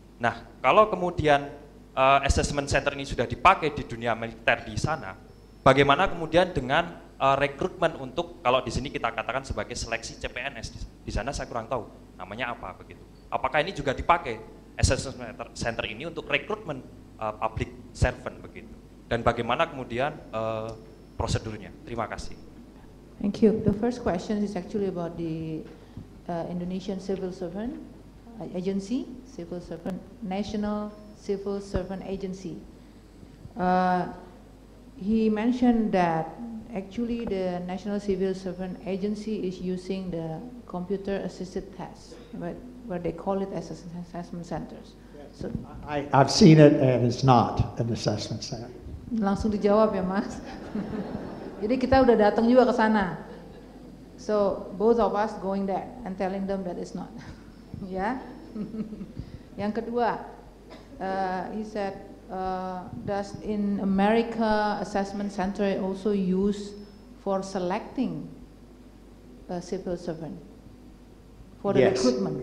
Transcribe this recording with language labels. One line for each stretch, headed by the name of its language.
Indonesian: Nah, kalau kemudian assessment center ini sudah dipakai di dunia militer di sana, bagaimana kemudian dengan rekrutmen untuk kalau di sini kita katakan sebagai seleksi CPNS di sana, saya kurang tahu namanya apa begitu. Apakah ini juga dipakai assessment center ini untuk rekrutmen public servant begitu? Dan bagaimana kemudian prosedurnya? Terima kasih.
English: Thank you. The first question is actually about the Indonesian Civil Servant Agency, Civil Servant National Civil Servant Agency. He mentioned that actually the National Civil Servant Agency is using the computer assisted test, but where they call it as assessment centers. Yes. So I've seen it and it's not an assessment center.
Indonesian: Langsung dijawab ya, Mas. Jadi kita udah datang juga ke sana.
English: So both of us going there and telling them that it's not. Yeah.
Indonesian: Yang kedua,
English: he said, does in America assessment center also use for selecting a civil servant for the recruitment?